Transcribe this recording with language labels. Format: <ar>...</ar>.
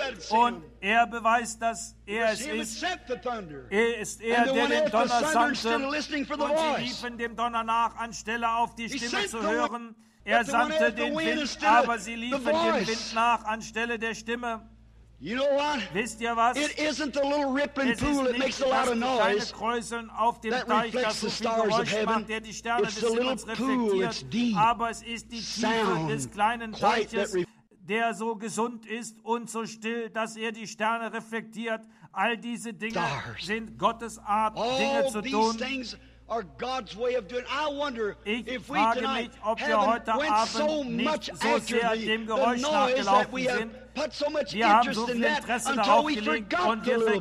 <de>Und er beweist, dass er es ist. Er ist er, der den Donner sandte. Und sie liefen dem Donner nach, anstelle auf die Stimme zu hören. Er sandte den Wind, aber sie liefen dem Wind nach, anstelle der Stimme. Wisst ihr was?</de> <en>It isn't the little rippling pool that makes a lot of noise.</en> <de>Kräuseln auf dem Teich, das so viel Geräusch macht, der die Sterne des Himmels reflektiert. Aber es ist die Tiefe des kleinen Teiches, der so gesund ist und so still, dass er die Sterne reflektiert. All diese Dinge sind Gottes Art, Dinge zu tun.</de> <en>or God's way of doing. I wonder if we tonight haven't went so much after the noise that we have put so much interest in that until we forgot the little</en>